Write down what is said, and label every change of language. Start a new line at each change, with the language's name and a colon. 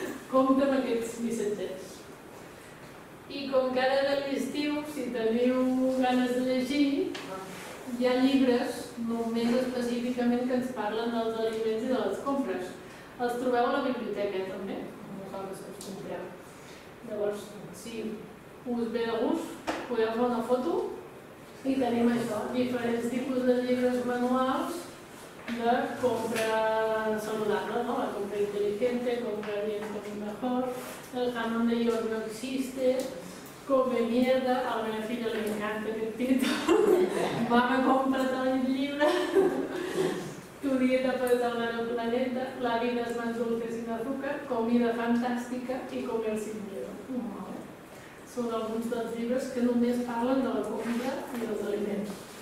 Catalan: Compte amb aquests missatgers. I com que ara de l'estiu, si teniu ganes de llegir, hi ha llibres només específicament que ens parlen dels aliments i de les compres. Els trobeu a la biblioteca també, vosaltres els compreu. Llavors, si us ve de gust, podeu fer una foto i tenim això, diferents tipus de llibres manuals
Spanish: la compra saludable, ¿no? La compra inteligente, compra bien, comer mejor, el jamón de York no existe, come mierda, a mi filla le encanta el título, va a comprar todo el libro, tu dieta puede salvar el planeta, la vida es más dulce sin azúcar, comida fantástica y comer sin miedo.
Catalan: Són alguns dels llibres que només parlen de
Spanish: la comida
Catalan: i dels aliments.